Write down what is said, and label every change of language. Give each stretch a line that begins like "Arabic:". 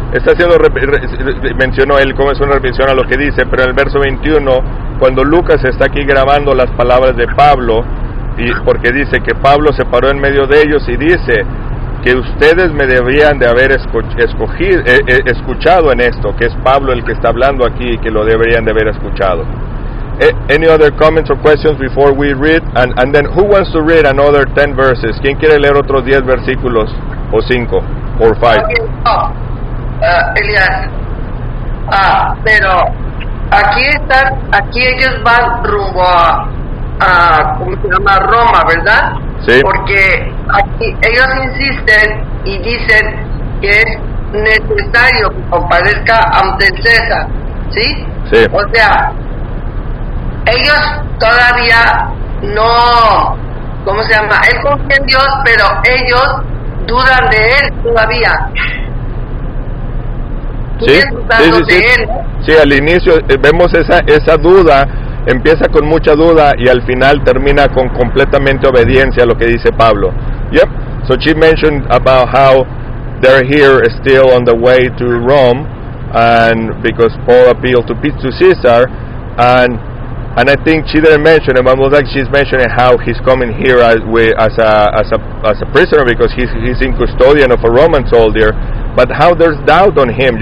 Spanish: Está haciendo mencionó él como es una repetición a lo que dice, pero en el verso 21, cuando Lucas está aquí grabando las palabras de Pablo, y porque dice que Pablo se paró en medio de ellos y dice que ustedes me debían de haber escuchado en esto, que es Pablo el que está hablando aquí y que lo deberían de haber escuchado.
English: Any other comments or questions before we read? And then, who wants to read another 10 verses?
Spanish: ¿Quién quiere leer otros 10 versículos? O 5,
English: or 5. Okay, Elias.
Spanish: Pero aquí ellos van rumbo a ¿cómo se llama? Roma, ¿verdad? Sí. Porque aquí ellos insisten y dicen que es necesario que comparezca ante César, ¿sí? Sí. O sea, ellos todavía no, ¿cómo se llama? Él confía en Dios, pero ellos dudan de él todavía. Sí, sí, sí, sí. Sí, al inicio vemos esa duda, empieza con mucha duda y al final termina con completamente obediencia a lo que dice Pablo.
English: Yep, so she mentioned about how they're here still on the way to Rome, and because Paul appealed to Caesar, And I think she didn't mention it, but it was like she's mentioning how he's coming here as a prisoner, because he's in custodian of a Roman soldier, but how there's doubt on him.